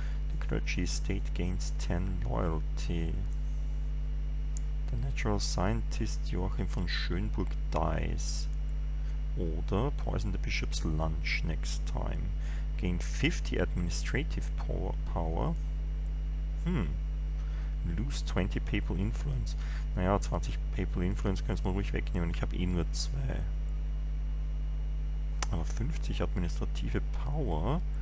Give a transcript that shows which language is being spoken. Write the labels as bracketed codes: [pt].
[en] The clergy estate gains 10 loyalty. The natural scientist Joachim von Schönburg dies. [de] Oder [en] poison the bishop's lunch next time. Gain 50 administrative power. Hm. Lose 20 papal influence. [de] Naja, 20 papal influence können wir ruhig wegnehmen. Ich habe eh nur 2. Aber 50 administrative power.